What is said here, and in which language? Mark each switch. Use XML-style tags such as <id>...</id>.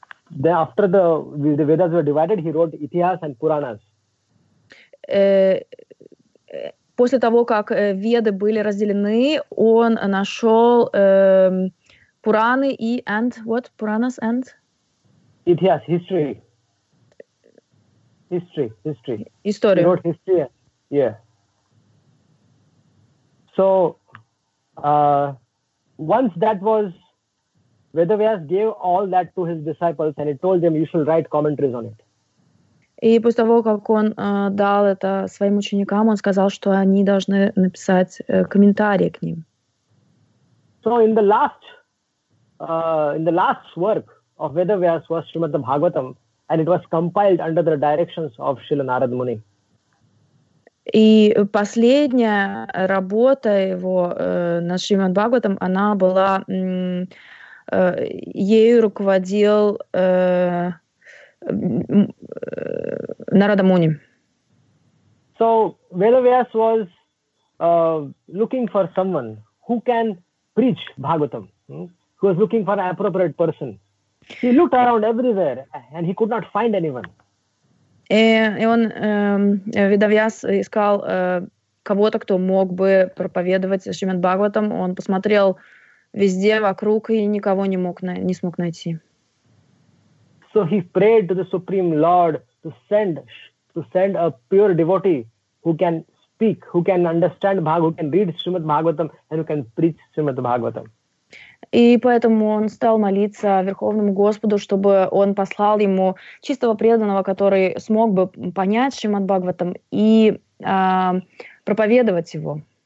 <en>Then after the Vedas were divided, he wrote Itihas and Puranas.</en> <ru>После того, как Веды были разделены, он нашел Пураны и</ru> <en>and what? Puranas and? Itihas, history. History.</en> <ru>История.</ru> <en>He wrote history, yeah. So, once that was Vedavyas gave all that to his disciples and he told them, you should write commentaries on it.</en> <ru>И после того, как он дал это своим ученикам, он сказал, что они должны написать комментарии к ним.</ru> <en>So in the last work of Vedavyas was Srimad Bhagavatam and it was compiled under the directions of Srila Narad Muni.</en> <ru>И последняя работа его над Шримад Бхагаватам, она была ею руководил Нарада Муни.</ru> <en>So Vedavyas was looking for someone who can preach Bhagavatam. He was looking for an appropriate person. He looked around everywhere and he could not find anyone.</en> <ru>И он, Vedavyas, искал кого-то, кто мог бы проповедовать Шримад Бхагаватам. Он посмотрел везде вокруг и никого не смог найти.</ru> <en>So he prayed to the Supreme Lord to send a pure devotee who can speak, who can understand Bhagavatam, who can read Srimad Bhagavatam and who can preach Srimad Bhagavatam.</en> <ru>И поэтому он стал молиться Верховному Господу, чтобы он послал ему чистого преданного, который смог бы понять Шримад Бхагаватам и проповедовать его.</ru>